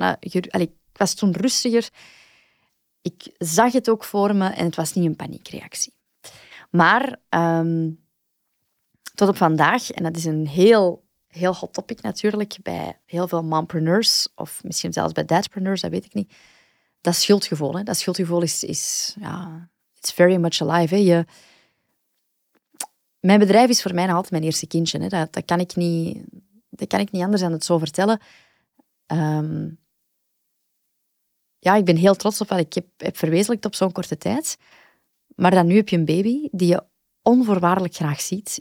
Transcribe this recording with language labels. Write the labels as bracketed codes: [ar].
[nl] ik was toen rustiger. Ik zag het ook voor me en het was niet een paniekreactie. Maar tot op vandaag, en dat is een heel, heel hot topic natuurlijk bij heel veel mompreneurs, of misschien zelfs bij dadpreneurs, dat weet ik niet. Dat schuldgevoel, hè? Dat schuldgevoel is ja, [en] it's very much alive. [nl] Hè? Mijn bedrijf is voor mij altijd mijn eerste kindje. Hè? Dat kan ik niet anders dan het zo vertellen. Ik ben heel trots op wat ik heb verwezenlijkt op zo'n korte tijd. Maar dan nu heb je een baby die je onvoorwaardelijk graag ziet.